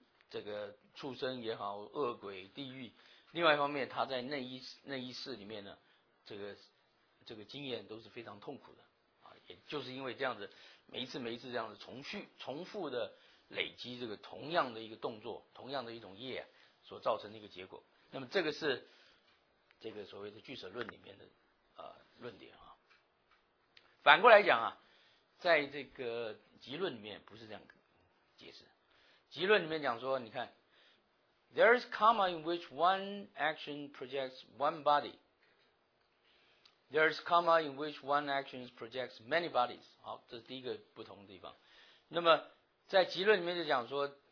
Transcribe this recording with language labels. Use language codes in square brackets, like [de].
[zh] 这个畜生也好，恶鬼地狱，另外一方面他在那一世里面呢，这个经验都是非常痛苦的啊，也就是因为这样子每一次这样子重复的累积这个同样的一个动作，同样的一种业所造成的一个结果。那么这个是这个所谓的聚舍论里面的论点啊。反过来讲啊，在这个集论里面不是这样解释。集论里面讲说，你看 [en] ，there is karma in which one action projects one body， there is karma in which one action projects many bodies。 [zh] 好，这是第一个不同的地方。那么在集论里面就讲说。